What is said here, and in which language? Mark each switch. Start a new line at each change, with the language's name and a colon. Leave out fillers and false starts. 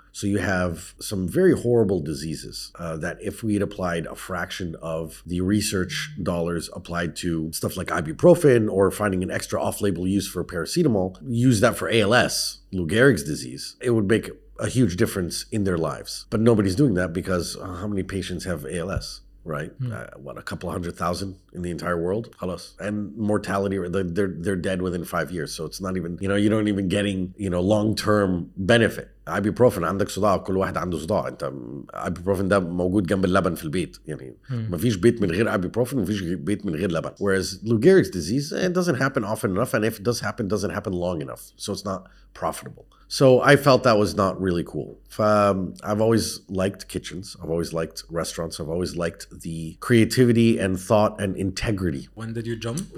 English: So you have some very horrible diseases that if we had applied a fraction of the research dollars applied to stuff like ibuprofen or finding an extra off-label use for paracetamol, use that for ALS, Lou Gehrig's disease, it would make a huge difference in their lives. But nobody's doing that because how many patients have ALS? Right? What, a couple of 100,000 in the entire world? Halos. And mortality, they're dead within 5 years. So it's not even, you know, you don't even getting, you know, long-term benefit.
Arabic: Ibuprofen, عندك صداع، كل واحد عنده صداع. انت ibuprofen ده موجود جنب اللبن في البيت، يعني مفيش بيت من غير ibuprofen، مفيش بيت من غير لبن.
English: Whereas Lou Gehrig's disease, it doesn't happen often enough. And if it does happen, it doesn't happen long enough. So it's not profitable. So I felt that was not really cool. I've always liked kitchens. I've always liked restaurants. I've always liked the creativity and thought and integrity. When did you jump?